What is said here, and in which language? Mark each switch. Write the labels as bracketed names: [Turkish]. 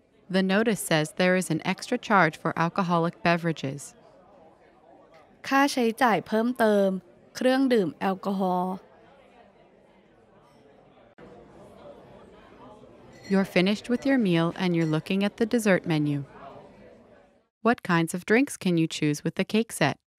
[English] The notice says there is an extra charge for alcoholic beverages. [Thai] ค่าใช้จ่ายเพิ่มเติมเครื่องดื่มแอลกอฮอล์ [English] You're finished with your meal and you're looking at the dessert menu. What kinds of drinks can you choose with the cake set?